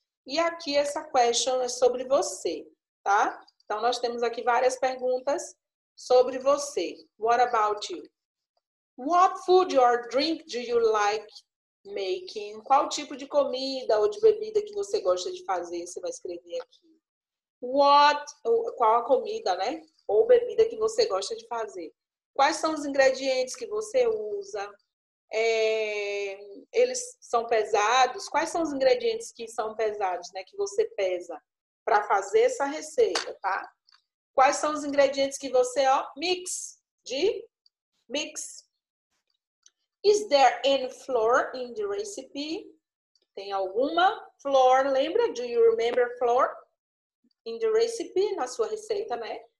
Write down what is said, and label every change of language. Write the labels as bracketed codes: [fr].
[pt] E aqui essa question é sobre você, tá? Então, nós temos aqui várias perguntas sobre você. [en] What about you? What food or drink do you like making? [pt] Qual tipo de comida ou de bebida que você gosta de fazer? Você vai escrever aqui. What, qual a comida, né? Ou bebida que você gosta de fazer. Quais são os ingredientes que você usa? É, eles são pesados? Quais são os ingredientes que são pesados, né? Que você pesa para fazer essa receita, tá? Quais são os ingredientes que você, ó, mix? De? Mix. [en] Is there any flour in the recipe? [pt] Tem alguma flour? Lembra? [en] Do you remember flour? In the recipe, [pt] na sua receita, né?